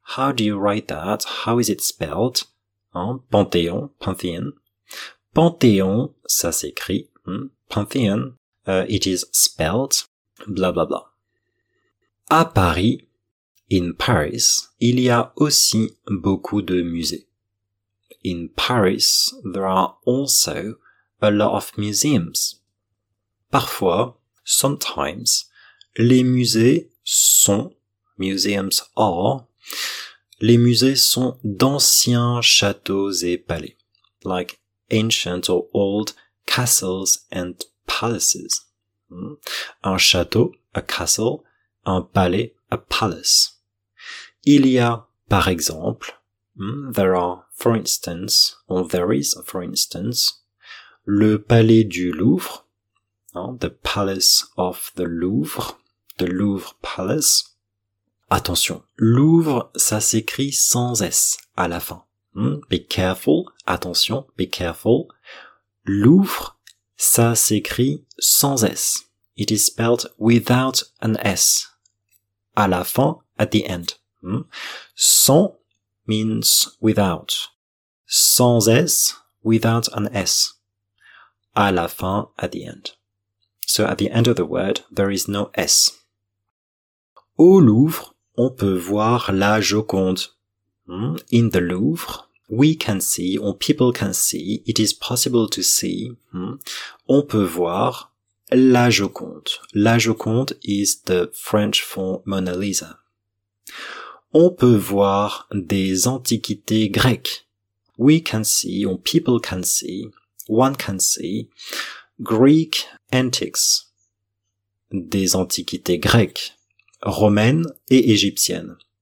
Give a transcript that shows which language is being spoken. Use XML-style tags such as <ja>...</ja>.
<en>How do you write that? How is it spelled? Hein?</en> <fr>Panthéon, Pantheon. Panthéon, ça s'écrit.</fr> <en>Pantheon, it is spelled. Blah, blah, blah.</en> <fr>À Paris,</fr> <en>in Paris,</en> <fr>il y a aussi beaucoup de musées.</fr> <en>In Paris, there are also a lot of museums.</en> <fr>Parfois,</fr> <en>sometimes,</en> <fr>les musées sont,</fr> <en>museums are,</en> <fr>Les musées sont d'anciens châteaux et palais.</fr> <en>Like ancient or old castles and palaces.</en> <fr>Un château,</fr> <en>a castle.</en> <fr>Un palais,</fr> <en>a palace.</en> <fr>Il y a, par exemple,</fr> <en>there are, for instance, or there is, for instance,</en> <fr>le palais du Louvre,</fr> <en>the palace of the Louvre palace.</en> <fr>Attention, Louvre, ça s'écrit sans S à la fin.</fr> <en>Be careful, attention, be careful.</en> <fr>Louvre, ça s'écrit sans S.</fr> <en>It is spelled without an S.</en> <fr>À la fin,</fr> <en>at the end. Sans means without.</en> <fr>Sans S,</fr> <en>without an S.</en> <fr>À la fin,</fr> <en>at the end. So at the end of the word, there is no S.</en> <fr>Au Louvre, on peut voir la Joconde.</fr> <en>In the Louvre, we can see, or people can see, it is possible to see,</en> <fr>on peut voir la Joconde.</fr> <en>La Joconde is the French for Mona Lisa.</en> <fr>On peut voir des antiquités grecques.</fr> <en>We can see, or people can see, one can see, Greek antiques.</en> <fr>Des antiquités grecques, romaines et égyptiennes.</fr>